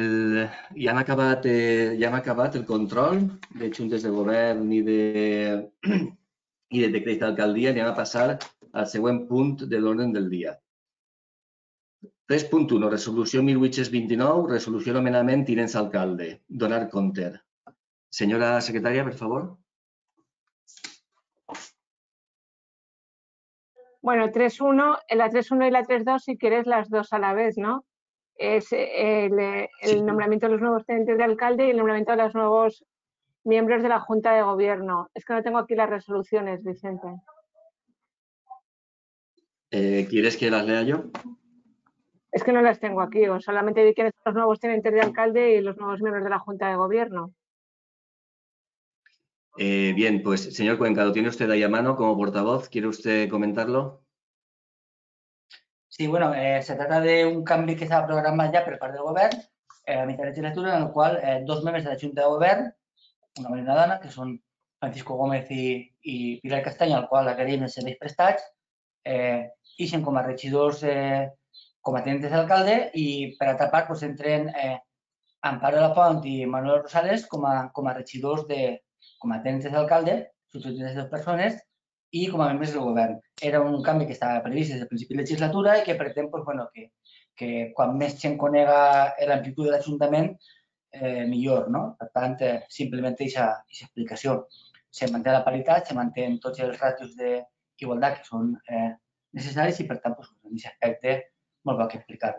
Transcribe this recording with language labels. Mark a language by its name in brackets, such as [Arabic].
[Catalan] Ja hem acabat el control de juntes de govern i de decret d'alcaldia. Anem a passar al següent punt de l'ordre del dia. 3.1, resolució 1829, resolució nomenament tinents alcalde. Donar compte. Senyora secretària, per favor. [Spanish] Bueno, 3.1, la 3.1 y la 3.2, si quieres, las dos a la vez, ¿no? Es el sí. Nombramiento de los nuevos tenientes de alcalde y el nombramiento de los nuevos miembros de la Junta de Gobierno. Es que no tengo aquí las resoluciones, Vicente. ¿Quieres que las lea yo? Es que no las tengo aquí, o solamente vi quiénes son los nuevos tenientes de alcalde y los nuevos miembros de la Junta de Gobierno. Bien, pues señor Cuenca, lo tiene usted ahí a mano como portavoz. ¿Quiere usted comentarlo? Sí, bueno, se trata de un cambio que se ha programado ya por parte del Gobierno, a mitad de legislatura, en el cual dos miembros de la Junta de Gobierno, una mujer y una dona, que son Francisco Gómez y Pilar Castaño, al cual agradecemos el servicio prestado, ixen como regidores, como tenientes de alcalde, y para tapar, pues entren Amparo Lapont y Manuel Rosales como regidores de. [Catalan] Com a tenents d'alcalde, substituïts de dues persones, i com a membres del govern. Era un canvi que estava previst des del principi de legislatura i que pretén que quan més gent conega l'amplitud de l'Ajuntament, millor. Per tant, simplement aquesta explicació. Se manté la paritat, se manté tots els ratios d'igualtat que són necessaris i, per tant, en aquest aspecte, molt bo que explicar.